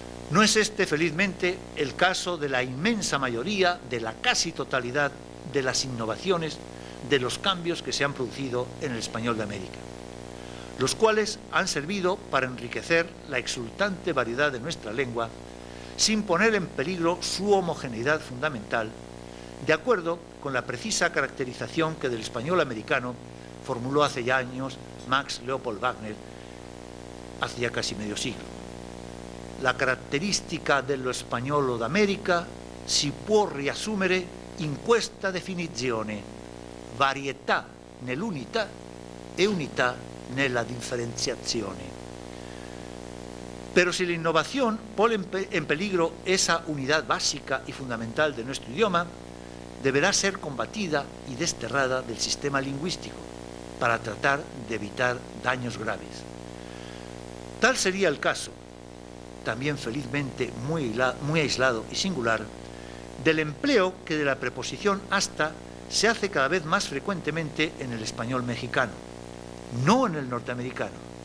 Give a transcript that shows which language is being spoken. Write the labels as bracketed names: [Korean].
[Spanish] No es este, felizmente, el caso de la inmensa mayoría, de la casi totalidad de las innovaciones, de los cambios que se han producido en el español de América, los cuales han servido para enriquecer la exultante variedad de nuestra lengua sin poner en peligro su homogeneidad fundamental, de acuerdo con la precisa caracterización que del español americano formuló hace ya años Max Leopold Wagner, hace ya casi medio siglo. La característica de lo español o de América, [Italian] si puor riassumere in questa definizione, varietà nell'unità e unità nella differenziazione. [Spanish] Pero si la innovación pone en peligro esa unidad básica y fundamental de nuestro idioma, deberá ser combatida y desterrada del sistema lingüístico para tratar de evitar daños graves. Tal sería el caso, también felizmente muy aislado y singular, del empleo que de la preposición hasta se hace cada vez más frecuentemente en el español mexicano, no en el norteamericano.